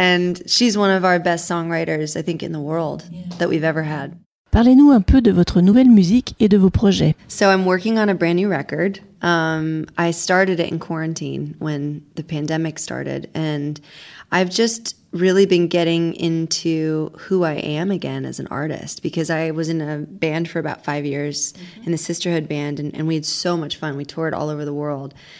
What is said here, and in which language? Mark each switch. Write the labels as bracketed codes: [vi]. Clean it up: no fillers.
[en] And she's one of our best songwriters, I think, in the world that we've ever had. [fr] Parlez-nous un peu de votre nouvelle musique et de vos projets. [en] So I'm working on a brand new record. I started it in quarantine when the pandemic started. And I've just really been getting into who I am again as an artist, because I was in a band for about 5 years, mm-hmm. in the sisterhood band, and we had so much fun. We toured all over the world.